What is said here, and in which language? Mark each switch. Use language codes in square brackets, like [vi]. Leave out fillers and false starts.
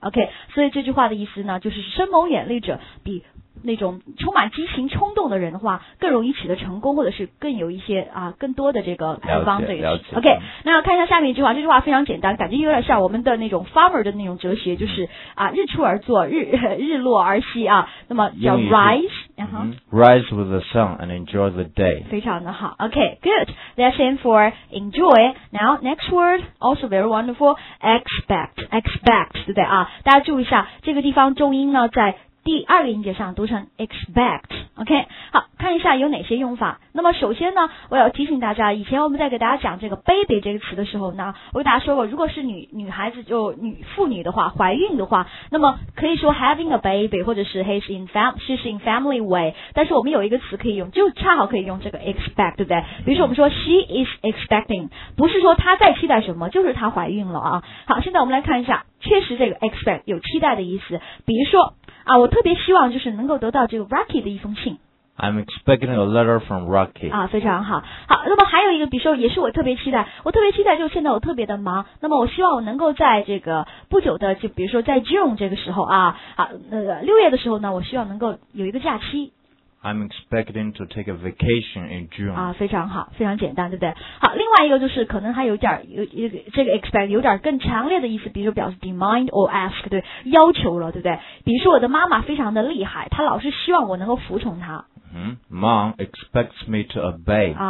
[zh] OK， 所以这句话的意思呢，就是深谋远虑者比那种充满激情冲动的人的话更容易取得成功，或者是更有一些更多的这个方对。 OK， 那要看一下下面一句话，这句话非常简单，感觉有点像我们的那种 farmer 的那种哲学，就是日出而作，日落而息啊，那么叫 rise、 [en] rise with the sun and enjoy the day， [zh] 非常的好。 [en] OK good， that's in for enjoy。 Now next word also very wonderful， expect [zh] 对不对啊？大家注意一下这个地方重音呢在第二个音节上，读成 expect。 OK， 好，看一下有哪些用法。那么首先呢，我要提醒大家，以前我们在给大家讲这个 baby 这个词的时候呢，我给大家说过，如果是女孩子就妇女的话，怀孕的话，那么可以说 [en] having a baby， [zh] 或者是 [en] she's in family way， [zh] 但是我们有一个词可以用，就恰好可以用这个 expect， 对不对？比如说我们说 [en] she is expecting， [zh] 不是说她在期待什么，就是她怀孕了啊。好，现在我们来看一下，确实这个 expect 有期待的意思，比如说我特别希望就是能够得到这个 Rocky 的一封信。 [en] I'm expecting a letter from Rocky。 [zh] 非常好。好，那么还有一个，比如说也是我特别期待，就是现在我特别的忙，那么我希望我能够在这个不久的，就比如说在 June 这个时候啊，六月的时候呢，我希望能够有一个假期。 [en] I'm expecting to take a vacation in June。 [zh] 非常好，非常简单，对不对？好，另外一个就是可能还有点这个 expect 有点更强烈的意思，比如说表示 [en] demand or ask， [zh] 对，要求了，对不对？比如说我的妈妈非常的厉害，她老是希望我能够服从她。 [en] Mom expects me to obey。